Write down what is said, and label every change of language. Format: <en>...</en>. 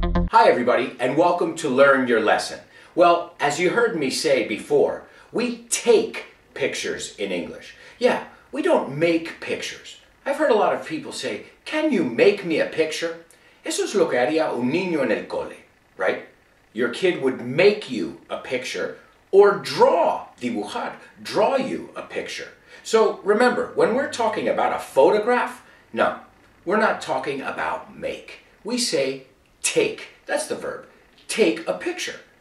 <en>Hi, everybody, and welcome to Learn Your Lesson. Well, as you heard me say before, we take pictures in English. Yeah, we don't make pictures. I've heard a lot of people say, can you make me a picture?</en> <es>Eso es lo que haría un niño en el cole,</es> <en>right? Your kid would make you a picture or draw, dibujar, draw you a picture. So remember, when we're talking about a photograph, no, we're not talking about make. We say take, that's the verb, take a picture.</en>